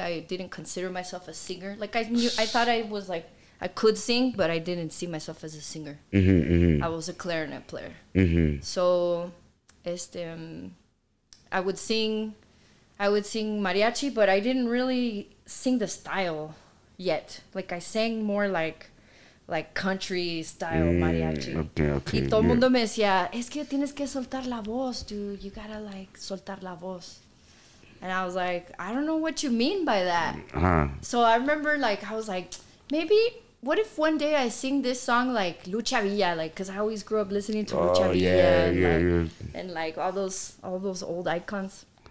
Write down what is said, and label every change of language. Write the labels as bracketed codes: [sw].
[en] I didn't consider myself a singer. Like, I knew, I thought I was like, I could sing, but I didn't see myself as a singer. I was a clarinet player. So, I would sing mariachi, but I didn't really sing the style yet. Like, I sang more like country style mariachi. Okay. [es] Y todo el mundo me decía, es que tienes que soltar la voz, dude. [en] You gotta like [es] soltar la voz. [en] And I was like, I don't know what you mean by that. So I remember, like, I was like, maybe, what if one day I sing this song like Lucha Villa, like, because I always grew up listening to Lucha Villa and like all those old icons.